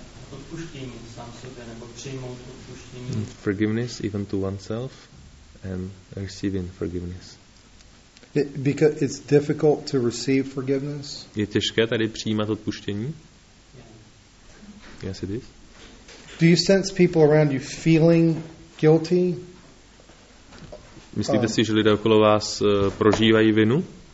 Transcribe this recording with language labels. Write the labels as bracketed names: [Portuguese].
[Czech] Odpuštění sám sobě, nebo přijmout odpuštění. [English] Forgiveness even to oneself and receiving forgiveness. Because it's difficult to receive forgiveness. [Czech] Je těžké tady přijímat odpuštění? [English] Yes, it is. Do you sense people around you feeling guilty? [Czech] Myslíte si, že lidé okolo vás prožívají vinu?